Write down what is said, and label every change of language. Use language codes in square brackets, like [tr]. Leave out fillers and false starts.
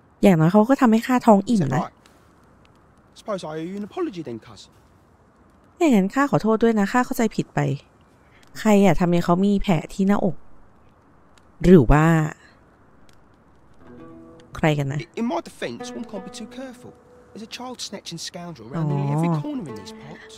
[th] อย่างน้อยเขาก็ทำให้ข้าท้องอิ่มนะ [en] Suppose I owe you an apology then, cuz. [th] ไม่งั้นข้าขอโทษด้วยนะข้าเข้าใจผิดไปใครอ่ะทำให้เขามีแผลที่หน้าอกหรือว่าใครกันนะ [en] In my defense, one can't be too carefulIs a child snatching scoundrel around nearly every corner in these parts.